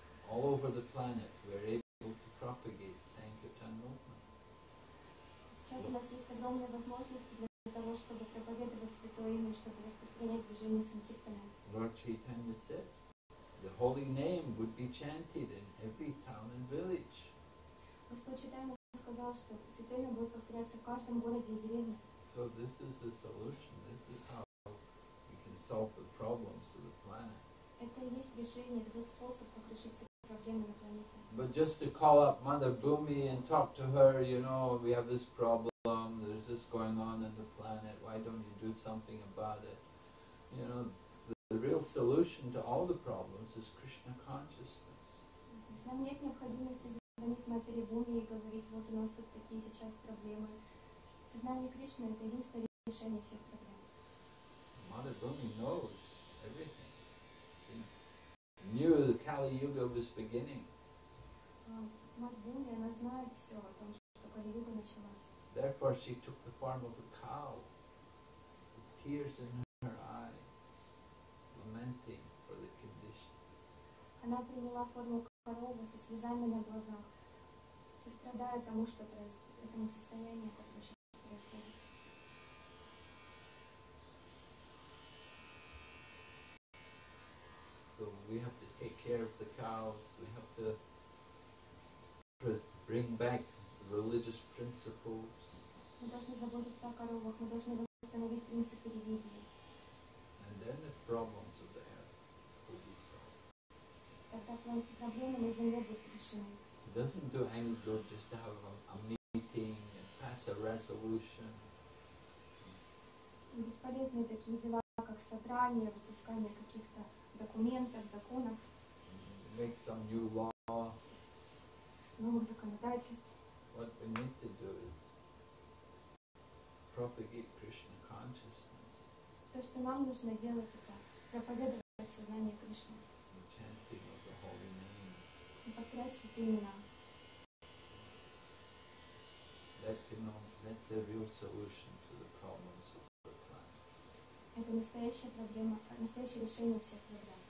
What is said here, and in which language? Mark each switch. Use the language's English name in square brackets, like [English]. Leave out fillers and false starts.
[English] All over the planet, we're able to propagate sankirtan movement. [Russian] Сейчас у нас есть огромные возможности для того, чтобы проповедовать святое имя, чтобы распространять движение санкиртана. [English] Lord Chaitanya said, the holy name would be chanted in every town and village. [Russian] Господь Чайтанья сказал, что святое имя будет повторяться в каждом городе и деревне. [English] So this is the solution. This is how we can solve the problems of the planet. [Russian] Это и есть решение, это способ, как решить все проблемы на планете. [English] But just to call up Mother Bhumi and talk to her, you know, we have this problem, there's this going on in the planet, why don't you do something about it? You know, the real solution to all the problems is Krishna consciousness. [Russian] Нам нет необходимости звонить Матери Бхуми и говорить, вот у нас тут такие сейчас проблемы. Сознание Кришны – это единственное решение всех проблем. [English] Mother Bhumi knows everything. She knew the Kali Yuga was beginning. [Russian] Мать Бхуми, она знает все о том, что Кали Юга началась. [English] Therefore, she took the form of a cow, with tears in her eyes, lamenting for the condition. [Russian] Она приняла форму коровы со слезами на глазах, сострадая тому, что происходит, этому состоянию, которое сейчас. [English] So we have to take care of the cows, we have to bring back religious principles. [Russian] Мы должны заботиться о коровах, мы должны восстановить принципы религии. [English] And then the problems of the earth will be solved. [Russian] Тогда проблемы на земле будут решены. [English] It doesn't do any good just to have a meeting and pass a resolution. [Russian] Бесполезные такие дела, как собрание, выпускание каких-то документов, законов. [English] Make some new law. [Russian] Новых законодательств. [English] What we need to do is propagate Krishna consciousness. [Russian] То, что нам нужно делать, это проповедовать сознание Кришны. [English] And chanting of the holy name. [Russian] И повторять святые имена. [English] That's a real solution to the problems of the planet. [Russian] Это настоящая проблема, настоящее решение всех проблем.